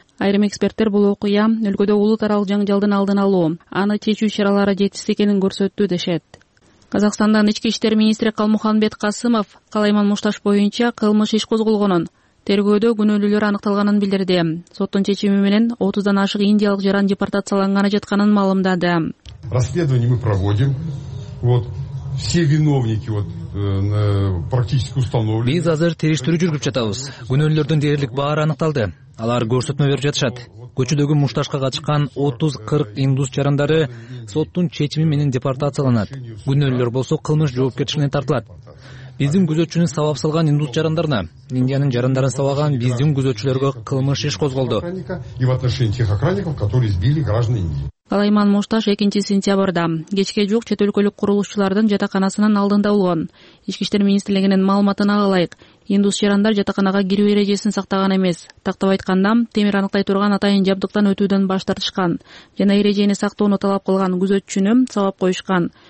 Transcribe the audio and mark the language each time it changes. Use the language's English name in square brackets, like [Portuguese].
[Kyrgyz] Айрым эксперттер бул окуя өлкөдө улут аралык жаңжалдын алдын алуу, аны чечүү чаралары жетишсиз экенин көрсөттү дешет. Казакстандын ички иштер министри Калмухамбет Касымов кала имам мушташ боюнча кылмыш иш козголгонун, тергөөдө күнөөлүүлөр аныкталганын билдирди. Соттун чечими менен 30дан ашык индиялык жаран депортацияланганы жатканын маалымдады. [Russian] Расследование мы проводим. Все виновники практически установлены. [Kyrgyz] Биз азыр териштирүү жүргүзүп жатабыз. Күнөөлүүлөрдүн дээрлик баары аныкталды. Алар көрсөтмө берип жатышат. көчөдөгү мушташка катышкан 30-40 индус жарандары соттун чечими менен депортацияланат. Күнөөлүүлөр болсо кылмыш жоопкерчилигине тартылат. Биздин күзөтчүнү сабап салган индус жарандарына, Индиянын жарандарын сабаган биздин күзөтчүлөргө кылмыш иш козголду. [Russian] И в отношении тех охранников, которые избили граждан Индии. [Kyrgyz] Калайман Мушташ 2 сентябрда кечке жок чет өлкөлүк курулушчулардын жатаканасынан алдында болгон. Ички иштер министрлигинин маалыматына ылайык, индус жарандар жатаканага кирүү эрежесин сактаган эмес. Тактап айтканда, темир аныктай турган атайын жабдыктан өтүүдөн баш тартышкан жана эрежени сактоону талап кылган күзөтчүнү сабап коюшкан.